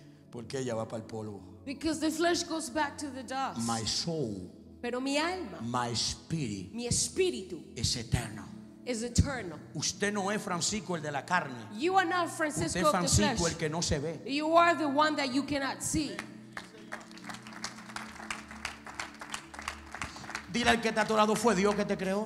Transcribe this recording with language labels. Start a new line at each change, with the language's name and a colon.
Spanish: Porque ella va para el polvo.
English: Because the flesh goes back to the dust. My soul.
Spanish: Pero mi alma.
English: My spirit.
Spanish: Mi espíritu. Es eterno.
English: Is eternal.
Spanish: Usted no es Francisco el de la carne.
English: You are not Francisco,
Spanish: usted es Francisco
English: of the flesh.
Spanish: El que no se ve.
English: You are the one that you cannot see.
Spanish: Dile al que está atorado, fue Dios que te creó.